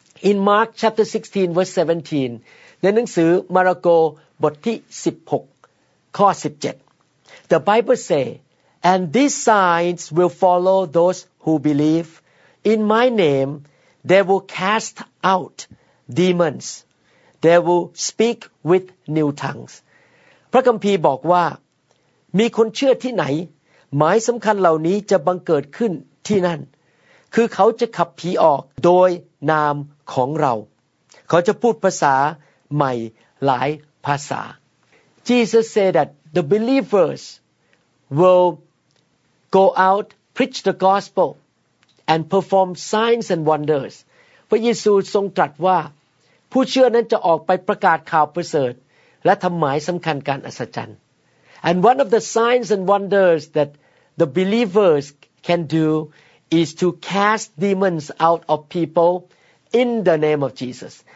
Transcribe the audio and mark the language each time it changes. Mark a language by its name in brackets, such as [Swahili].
[English] In Mark chapter 16 verse 17 [Thai] ในหนังสือมาระโกบทที่16ข้อ17 [English] The Bible say and these signs will follow those who believe in my name they will cast out demons they will speak with new tongues [Thai] พระคัมภีร์บอกว่า มีคนเชื่อที่ไหนหมายสำคัญเหล่านี้จะบังเกิดขึ้นที่นั่นคือเขาจะขับผีออกโดยนามของเราเขาจะพูดภาษาใหม่หลาย [English] ภาษา Jesus said that the believers will go out, preach the gospel, and perform signs and wonders. [Thai] พระเยซูทรงตรัสว่าผู้เชื่อนั้นจะออกไปประกาศข่าวประเสริฐและทำหมายสำคัญการอัศจรรย์ [English] And one of the signs and wonders that the believers can do is to cast demons out of people in the name of Jesus.